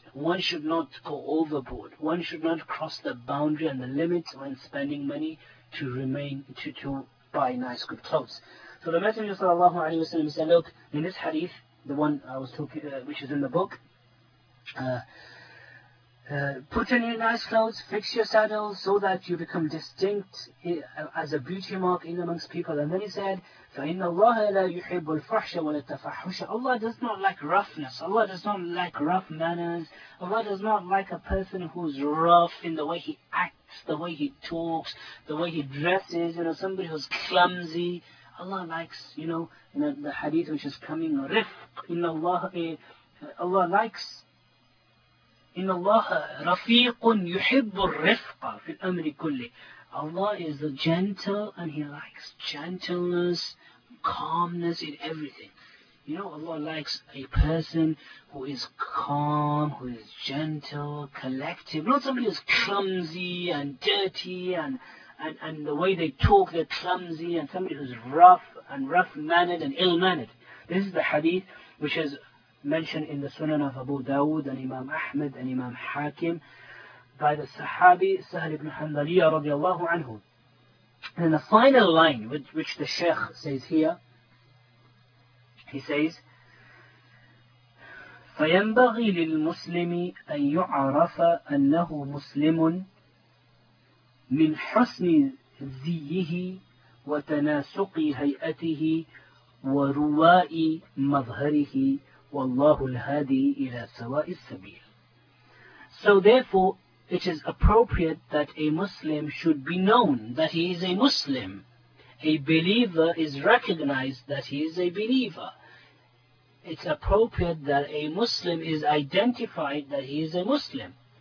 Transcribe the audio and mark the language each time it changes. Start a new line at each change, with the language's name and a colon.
English: One should not go overboard. One should not cross the boundary and the limits when spending money to remain to buy nice good clothes. So the Messenger sallallahu alaihi wasallam said, look, in this hadith, the one I was talking, which is in the book, put on your nice clothes, fix your saddle so that you become distinct as a beauty mark in amongst people. And then he said,
Arabic: فَإِنَّ اللَّهَ لَا يُحِبُّ الْفَحْشَ وَلَا التَّفَحُشَ.
English: Allah does not like roughness. Allah does not like rough manners. Allah does not like a person who's rough in the way he acts, the way he talks, the way he dresses, you know, somebody who's clumsy. Allah likes, you know, the hadith which is coming,
Arabic: رِفْقُ إِنَّ اللَّهَ
English: Allah likes
Arabic: إِنَّ اللَّهَ رَفِيقٌ يُحِبُّ الرِّفْقَ فِي الْأَمْرِ كُلِّ.
English: Allah is gentle and He likes gentleness, calmness in everything. You know, Allah likes a person who is calm, who is gentle, collective, not somebody who's clumsy and dirty and the way they talk, they're clumsy, and somebody who's rough and rough-mannered and ill-mannered. This is the hadith which is mentioned in the Sunan of Abu Dawud and Imam Ahmed and Imam Hakim by the Sahabi Sahal ibn Hanbaliya radiallahu anhu. And the final line which the Shaykh says here, he says,
Arabic: فَيَنْبَغِي لِلْمُسْلِمِ أَن يُعَرَفَ أَنَّهُ مُسْلِمٌ مِنْ حُسْنِ ذِيِّهِ وَتَنَاسُقِ هَيْئَتِهِ وَرُوَاءِ مَظْهَرِهِ وَاللَّهُ الْهَادِي إِلَى سَوَاءِ السَّبِيلِ.
English: So therefore, it is appropriate that a Muslim should be known that he is a Muslim. A believer is recognized that he is a believer. It's appropriate that a Muslim is identified that he is a Muslim.